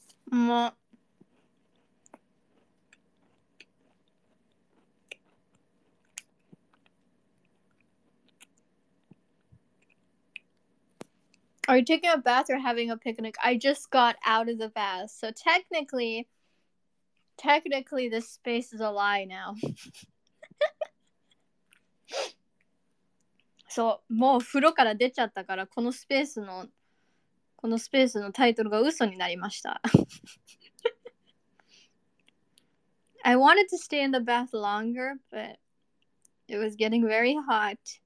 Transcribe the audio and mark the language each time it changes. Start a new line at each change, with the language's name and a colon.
English: まAre you taking a bath or having a picnic? I just got out of the bath. So technically this space is a lie now.
Japanese: So, もう風呂から出ちゃったから、このスペースのタイトルが嘘になりました。
English: I wanted to stay in the bath longer, but it was getting very hot.